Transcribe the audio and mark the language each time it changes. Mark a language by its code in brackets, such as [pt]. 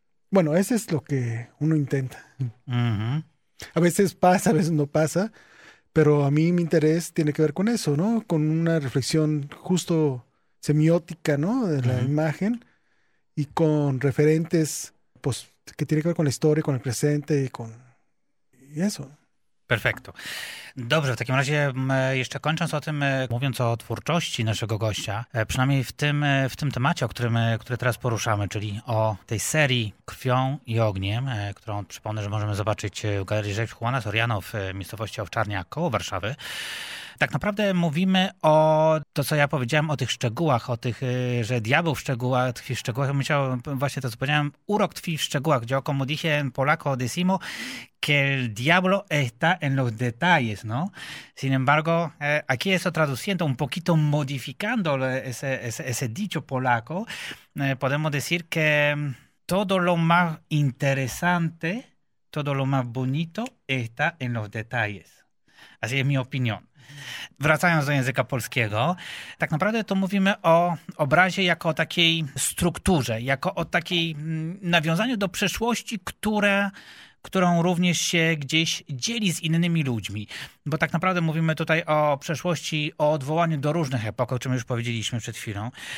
[es] Bueno, eso es lo que uno intenta. Uh-huh. A veces pasa, a veces no pasa, pero a mí mi interés tiene que ver con eso, ¿no? Con una reflexión justo semiótica, ¿no? De la uh-huh. imagen y con referentes, pues, que tiene que ver con la historia, con el presente y con y eso. Perfecto. [pl] Dobrze, w takim razie jeszcze kończąc o tym, mówiąc o twórczości naszego gościa, przynajmniej w tym temacie, który teraz poruszamy, czyli o tej serii Krwią i Ogniem, którą przypomnę, że możemy zobaczyć w galerii Rzeźb Juana Soriano w miejscowości Owczarnia koło Warszawy. Tak naprawdę mówimy o to, co ja powiedziałem, o tych szczegółach, o tych, że diabeł w szczegółach tkwi w szczegółach. Właśnie to, co powiedziałem, urok tkwi w szczegółach, gdzie [es] como dije en polaco decimo, que el diablo está en los detalles, ¿no? Sin embargo, aquí eso traduciendo, un poquito modificando ese dicho polaco, podemos decir que todo lo más interesante, todo lo más bonito está en los detalles. Así es mi opinión. [pl] Wracając do języka polskiego, tak naprawdę to mówimy o obrazie jako o takiej strukturze, jako o takiej nawiązaniu do przeszłości, którą również się gdzieś dzieli z innymi ludźmi. Bo tak naprawdę mówimy tutaj o przeszłości, o odwołaniu do różnych epok, o czym już powiedzieliśmy przed chwilą.